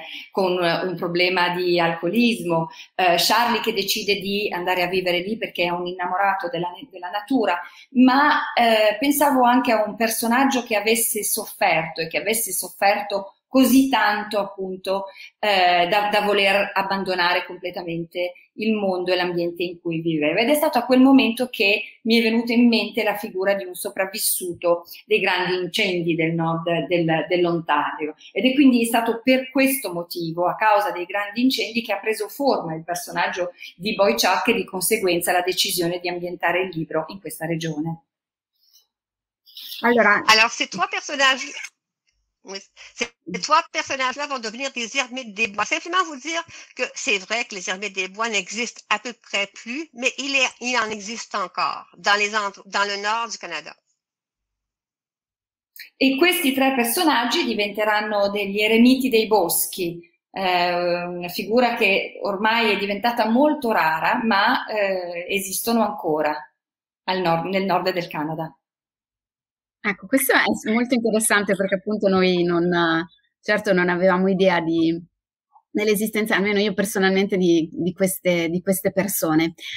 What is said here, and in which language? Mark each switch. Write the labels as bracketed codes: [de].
[it] Con un problema di alcolismo, Charlie che decide di andare a vivere lì perché è un innamorato della natura, ma pensavo anche a un personaggio che avesse sofferto e che avesse sofferto così tanto appunto da voler abbandonare completamente il mondo e l'ambiente in cui viveva. Ed è stato a quel momento che mi è venuta in mente la figura di un sopravvissuto dei grandi incendi del nord dell'Ontario. Ed è quindi stato per questo motivo, a causa dei grandi incendi, che ha preso forma il personaggio di Boy Chuck e di conseguenza la decisione di ambientare il libro in questa regione. Allora, [fr] Alors, ces trois personnages, oui, ces trois personnages-là vont devenir des ermites des bois. Simplement vous dire que c'est vrai que les ermites des bois n'existent à peu près plus, mais il en existe encore dans le nord du Canada. [it] e questi tre personaggi diventeranno degli eremiti dei boschi, una figura che ormai è diventata molto rara, ma esistono ancora nel nord del Canada. Ecco, questo è molto interessante perché appunto noi certo non avevamo idea dell'esistenza, almeno io personalmente, di queste persone.